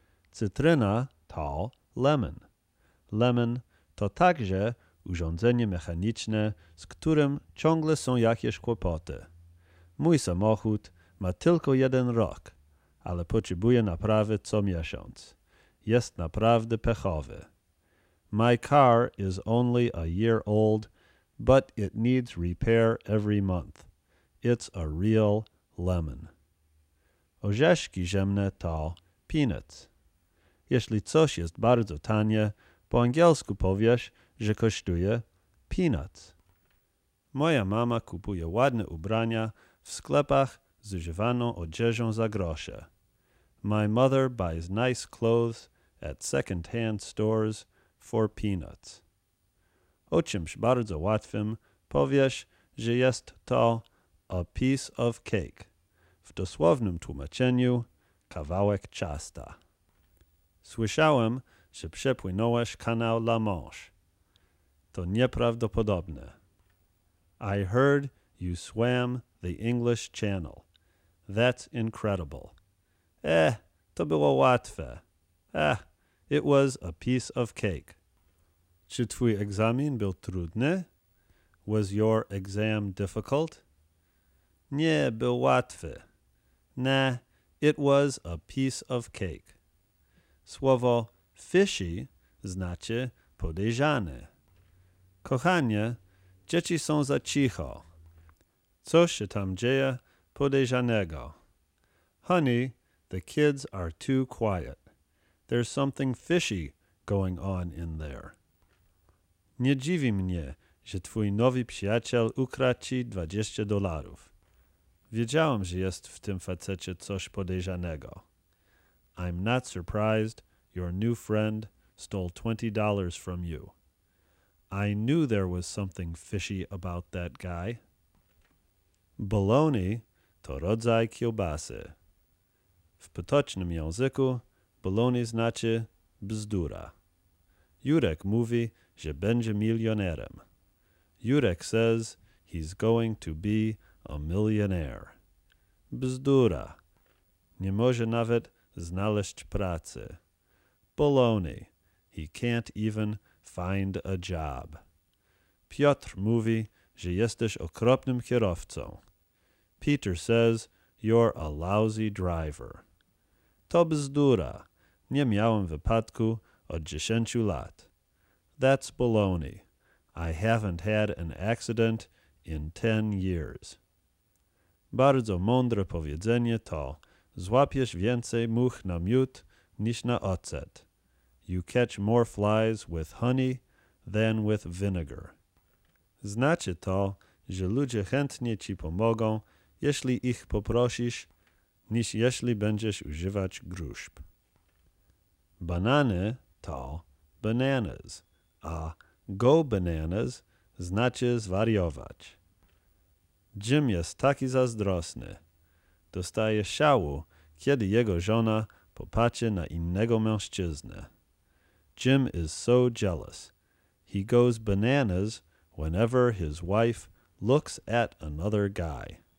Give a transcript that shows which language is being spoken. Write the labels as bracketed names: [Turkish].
[Polish] Cytryna to lemon. Lemon to także urządzenie mechaniczne, z którym ciągle są jakieś kłopoty. Mój samochód ma tylko jeden rok, ale potrzebuje naprawy co miesiąc. Jest naprawdę pechowy. [English] My car is only a year old, but it needs repair every month. It's a real lemon. [Polish] Orzeszki ziemne to [English] peanuts. [Polish] Jeśli coś jest bardzo tanie, po angielsku powiesz, że kosztuje peanuts. Moja mama kupuje ładne ubrania w sklepach z używaną odzieżą za grosze. [English] My mother buys nice clothes at second-hand stores for peanuts. [Polish] O czymś bardzo łatwym powiesz, że jest to [English] a piece of cake. [Polish] W dosłownym tłumaczeniu kawałek ciasta. Słyszałem, że przepłynąłeś kanał La Manche. To nieprawdopodobne. [English] I heard you swam the English Channel. That's incredible. [Polish] To było łatwe. [English] It was a piece of cake. [Polish] Czy twój egzamin był trudny? [English] Was your exam difficult? [Polish] Nie, był łatwy. [English] Nah, it was a piece of cake. [Polish] Słowo fishy znaczy podejrzany. Kochanie, dzieci są za cicho. Co się tam dzieje podejrzanego? [English] Honey, the kids are too quiet. There's something fishy going on in there. [Polish] Nie dziwi mnie, że twój nowy przyjaciel ukradł ci $20. Wiedziałem, że jest w tym facecie coś podejrzanego. [English] I'm not surprised your new friend stole $20 from you. I knew there was something fishy about that guy. [Polish] Bologna to rodzaj kiełbasy. W potocznym języku bologna znaczy bzdura. Jurek mówi, że będzie milionerem. [English] Jurek says he's going to be a millionaire. [Polish] Bzdura. Nie może nawet znaleźć pracy. Bologna. [English] He can't even find a job. [Polish] Piotr mówi, że jesteś okropnym kierowcą. [English] Peter says, you're a lousy driver. [Polish] To bzdura. Nie miałem wypadku od 10 lat. [English] That's baloney. I haven't had an accident in 10 years. [Polish] Bardzo mądre powiedzenie to, złapiesz więcej much na miód niż na ocet. [English] You catch more flies with honey than with vinegar. [Polish] Znaczy to, że ludzie chętnie ci pomogą, jeśli ich poprosisz, niż jeśli będziesz używać gruszb. Banany to bananas, a [English] go bananas [Polish] znaczy zwariować. Jim jest taki zazdrosny. Dostaje szału, kiedy jego żona popatrzy na innego mężczyznę. [English] Jim is so jealous. He goes bananas whenever his wife looks at another guy.